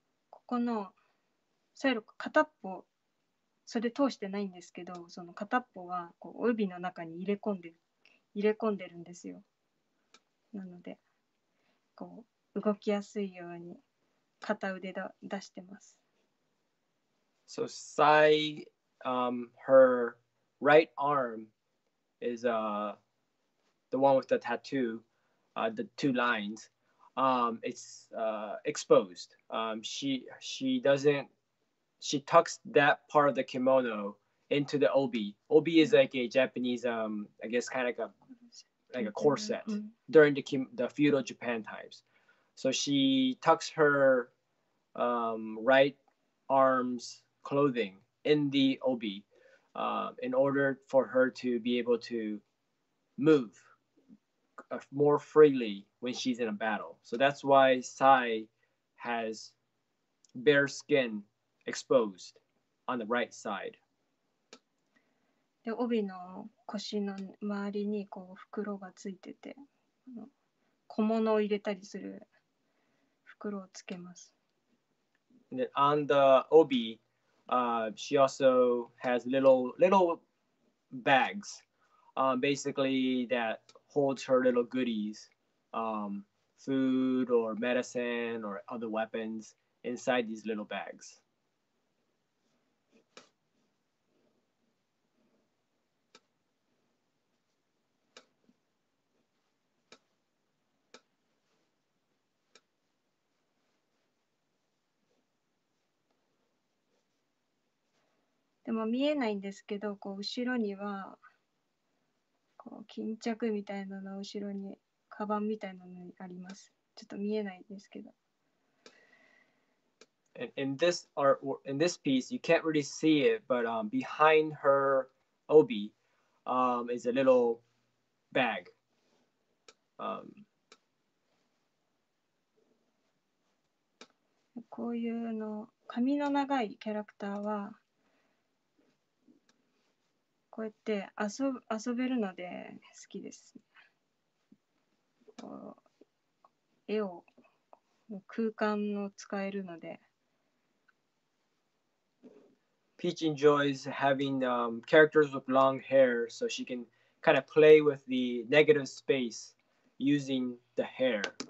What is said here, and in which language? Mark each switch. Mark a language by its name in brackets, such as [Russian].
[Japanese] ここのサイロック片っぽ、それ通してないんですけど、その片っぽはこう帯の中に入れ込んでるんですよ。なのでこう動きやすいように片腕だ出してます。 [English] So Psy, her right arm is the one with the tattoo, the two lines. It's exposed. She tucks that part of the kimono into the obi. Obi is like a Japanese, I guess, kind of like a corset during the feudal Japan times. So she tucks her right arm's clothing in the obi in order for her to be able to move more freely when she's in a battle. So that's why Sai has bare skin exposed on the right side. [Japanese] で、帯の腰の周りにこう袋がついてて、小物を入れたりする袋をつけます。 [English] And then on the obi, she also has little bags, basically that holds her little goodies, food or medicine or other weapons inside these little bags. [Japanese] でも見えないんですけど、こう後ろにはこう巾着みたいなの後ろにカバンみたいなのにあります。ちょっと見えないんですけど。 [English] In this piece, you can't really see it, but behind her obi, is a little bag. [Japanese] こういうの髪の長いキャラクターは。こうやって遊べるので好きです。絵を空間を使えるので。 [English] Peach enjoys having characters with long hair so she can kind of play with the negative space using the hair.